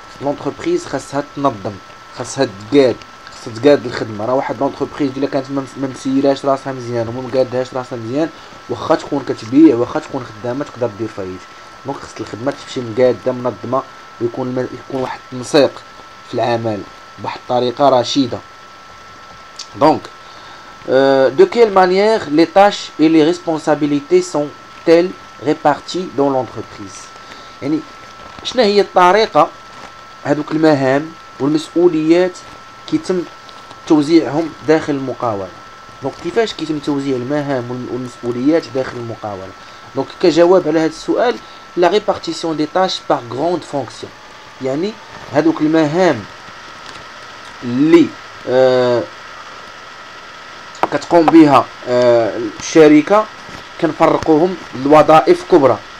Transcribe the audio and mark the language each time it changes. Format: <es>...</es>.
<ar>لونتربريز خاصها تنظم, خاصها تقاد, خاصها تقاد الخدمه. راه واحد لونتربريز الا كانت ما مسيراش راسها مزيان وما مقادهاش راسها مزيان, واخا تكون كتبيع واخا تكون خدامه تقدر دير فايت. دونك خاص الخدمه تمشي مقاده منظمه ويكون واحد التنسيق في العمل بواحد الطريقه رشيده.</ar> <fr>دونك de quelle manière les tâches et les responsabilités sont-elles réparties dans l'entreprise ?</fr> <ar>يعني شنو هي الطريقة هذوك المهام والمسؤوليات كيتم توزيعهم داخل المقاولة. دونك كيفاش كيتم توزيع المهام والمسؤوليات داخل المقاولة. دونك كجواب على هذا السؤال,</ar> <fr>la répartition des tâches par grande fonction,</fr> <ar>يعني هذوك المهام اللي كتقوم بها الشركة كنفرقوهم لوظائف كبرى.</ar>